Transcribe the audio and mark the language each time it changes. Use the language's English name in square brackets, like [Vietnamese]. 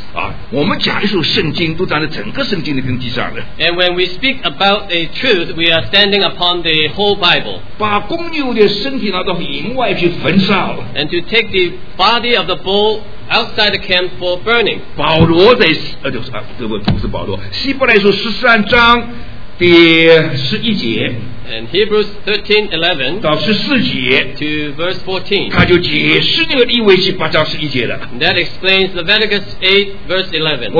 [Chinese] 啊，我们讲一首圣经都站在整个圣经的根基上的。 [English] And when we speak about a truth, we are standing upon the whole Bible. [Chinese] 把公牛的身体拿到营外去焚烧。 [English] And to take the body of the bull outside the camp for burning. [Chinese] 保罗在不是保罗，希伯来书十三章第十一节。 [English] And Hebrews 13:11 to verse 14. That explains Leviticus 8, verse 11.